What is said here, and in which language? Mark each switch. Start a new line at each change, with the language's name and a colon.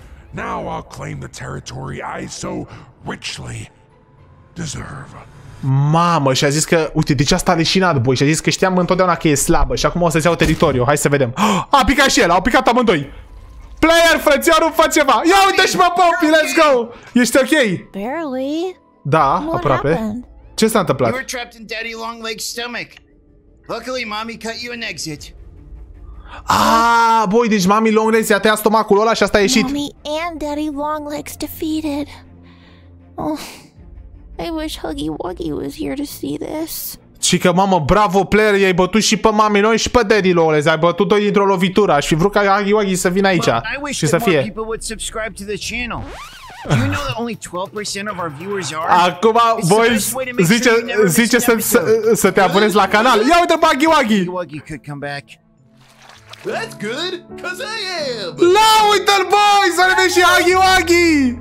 English: Now I'll claim the territory I so richly deserve.
Romanian: Mamă, și a zis că, uite, de ce asta a leșinat, boi? Și a zis că știam întotdeauna că e slabă și acum o să-ți iau teritoriul. Hai să vedem. A picat și el, au picat amândoi. Player, frățiorul, fă ceva. Ia uite și mă, Poppy,
English: let's go.
Romanian: Ești ok?
English: Barely.
Romanian: Da, aproape. Ce s-a întâmplat?
English: You were trapped in Daddy Longlegs' stomach. Luckily, mommy cut you an exit.
Romanian: Ah, boy, deci mommy Longlegs i-a tăiat stomacul ăla și asta a ieșit.
English: Mommy and Daddy Longlegs defeated. Oh, I wish Huggy Wuggy was here to see this.
Romanian: Chica, mamă, bravo, player, i-ai bătut și pe mommy noi și pe Daddy Longlegs. Ai bătut doi dintr-o lovitură. Aș fi vrut ca Huggy Wuggy să vină aici și să fie.
English: People would subscribe to the channel. Do you know that only 12% of our viewers are?
Romanian: Acum, boys, zice să te abonezi la canal. Ia uite, Buggy Wuggy!
English: Buggy could come back. That's good, cause I am!
Romanian: La, uite-l, boys! A revenit și Buggy Wuggy!